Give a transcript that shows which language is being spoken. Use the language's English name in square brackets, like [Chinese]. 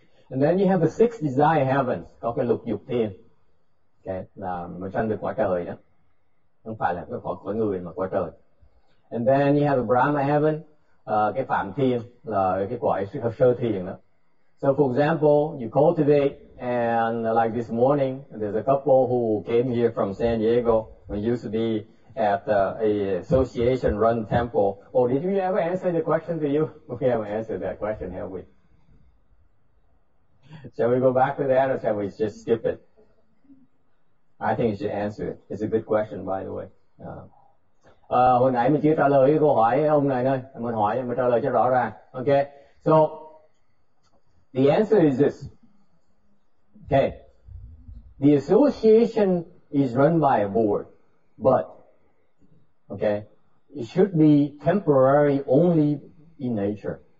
[English] And then you have the six desire heavens. [Vietnamese] Có cái lục dục thiên. Okay? Là mà tranh được quả trời đó. Không phải là cái khỏi của người mà quả trời. [English] And then you have the Brahma heaven. [Vietnamese] Cái phạm thiên là cái quả sơ thiền đó. [English] So for example, you cultivate, and like this morning, there's a couple who came here from San Diego, who used to be at a association-run temple. Oh, did we ever answer the question to you? We haven't answered that question, have we? Shall we go back to that, or shall we just skip it? I think you should answer it. It's a good question, by the way. [Vietnamese] Hồi nãy mình chưa trả lời cái câu hỏi ông này nơi. Mình hỏi, mình trả lời cho rõ ràng. [English] Okay, so the answer is this. Okay, the association is run by a board, but, okay, it should be temporary only in nature.